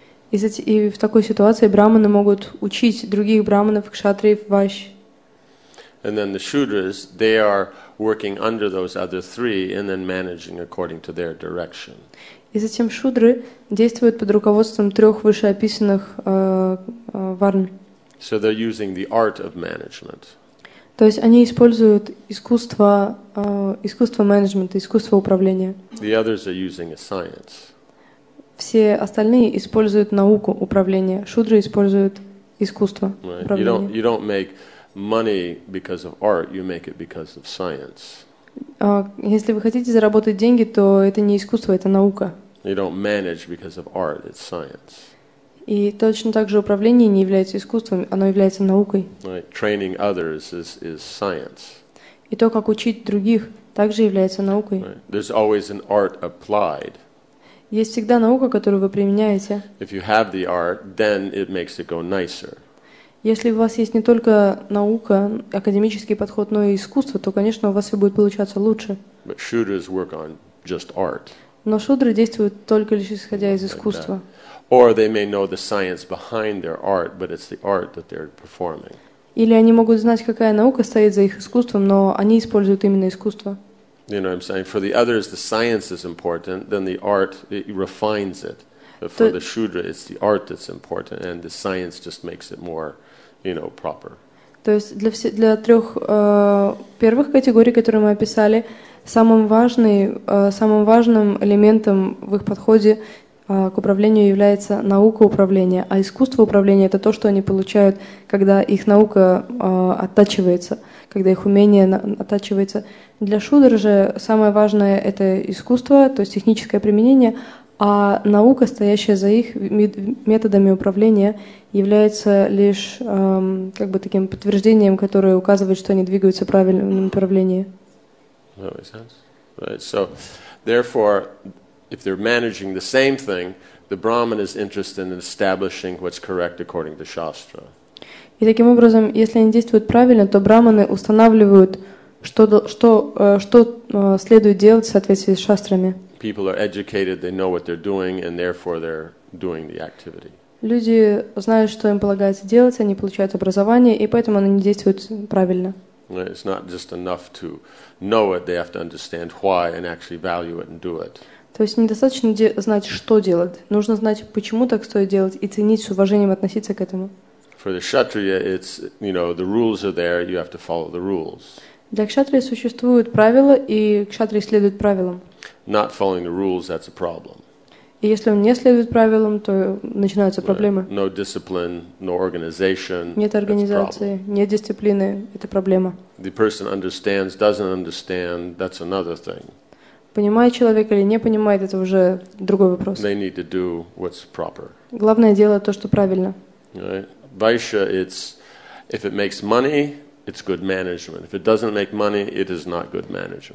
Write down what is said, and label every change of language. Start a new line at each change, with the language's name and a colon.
Russian: И в такой ситуации брахманы могут учить других брахманов, кшатриев, вайш.
English: And then the shudras, they are working under those other three and then managing according to their direction.
Russian: И затем шудры действуют под руководством трех вышеописанных варн.
English: So they're using the art of management.
Russian: То есть они используют искусство менеджмента, искусство управления.
English: The others are using a science.
Russian: Все остальные используют науку управления. Шудры используют искусство управления.
English: You don't make money because of art, you make it because of science.
Russian: Если вы хотите заработать деньги, то это не искусство, это наука.
English: You don't manage because of art, it's science.
Russian: И точно так же управление не является искусством, оно является наукой.
English: Right. Training others is science.
Russian: И то, как учить других, также является наукой.
English: Right. There's always an art applied.
Russian: Есть всегда наука, которую вы применяете.
English: If you have the art, then it makes it go nicer.
Russian: Если у вас есть не только наука, академический подход, но и искусство, то, конечно, у вас все будет получаться лучше.
English: But shudras work on just art.
Russian: Но шудры действуют только лишь исходя из искусства.
English: Or they may know the science behind their art, but it's the art that they're performing.
Russian: Или они могут знать, какая наука стоит за их искусством, но они используют именно искусство.
English: You know what I'm saying? For the others, the science is important, then the art it refines it. But for the shudra, it's the art that's important, and the science just makes it more, you know, proper.
Russian: То есть для трех первых категорий, которые мы описали, самым важным элементом в их подходе к управлению является наука управления, а искусство управления — это то, что они получают, когда их наука оттачивается, когда их умение оттачивается. Для шудры же самое важное — это искусство, то есть техническое применение, а наука, стоящая за их методами управления, является лишь как бы таким подтверждением, которое указывает, что они двигаются в правильном направлении.
English: That makes sense. Right. So, therefore, if they're managing the same thing, the Brahman is interested in establishing what's correct according to Shastra.
Russian: И таким образом, если они действуют правильно, то брахманы устанавливают, что следует делать в соответствии с шастрами.
English: People are educated, they know what they're doing, and therefore they're doing the activity.
Russian: Люди знают, что им полагается делать, они получают образование, и поэтому они действуют правильно.
English: It's not just enough to know it, they have to understand why and actually value it and do it.
Russian: То есть недостаточно знать, что делать. Нужно знать, почему так стоит делать, и ценить с уважением относиться к этому.
English: For the kshatriya, it's, you know, the rules are there, you have to follow the rules.
Russian: Для кшатрии существуют правила, и кшатрии следуют правилам.
English: Not following the rules, that's a problem.
Russian: И если он не следует правилам, то начинаются проблемы.
English: No discipline, no organization.
Russian: Нет организации, нет дисциплины, это проблема.
English: The person understands, doesn't understand, that's another thing.
Russian: Понимает человек или не понимает, это уже другой вопрос.
English: They need to do what's proper.
Russian: Главное делать то, что правильно.
English: Vaishya, it's if it makes money, it's good management. If it doesn't make money, it is not good management.